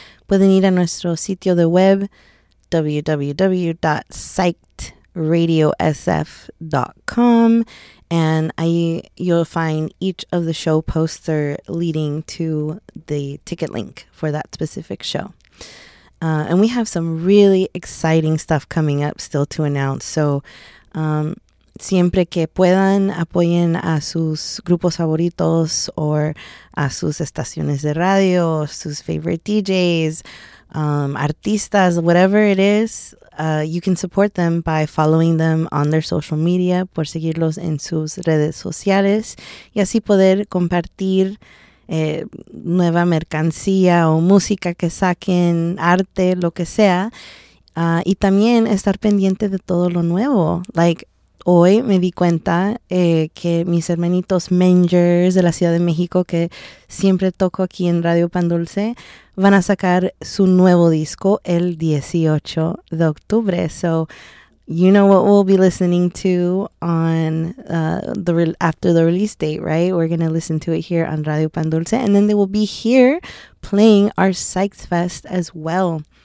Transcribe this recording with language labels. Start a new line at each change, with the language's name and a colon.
Spanish: Pueden ir a nuestro sitio de web, www.psychedradiosf.com.
English: And you'll find each of the show poster leading to the ticket link for that specific show. And we have some really exciting stuff coming up still to announce.
Spanish: So siempre que puedan, apoyen a sus grupos favoritos
English: or
Spanish: a sus estaciones de radio, sus
English: favorite DJs,
Spanish: artistas,
English: whatever it is. You can support them by following them on their social media,
Spanish: por seguirlos en sus redes sociales, y así poder compartir nueva mercancía o música que saquen, arte, lo que sea, y también estar pendiente de todo lo nuevo. Like, hoy me di cuenta que mis hermanitos Mangers de la Ciudad de México, que siempre toco aquí en Radio Pan Dulce, van a sacar su nuevo disco el 18 de octubre.
English: So, you know what we'll be listening to on after the release date, right? We're going to listen to it here on Radio Pan Dulce. And then they will be here playing our Psyched Fest as well.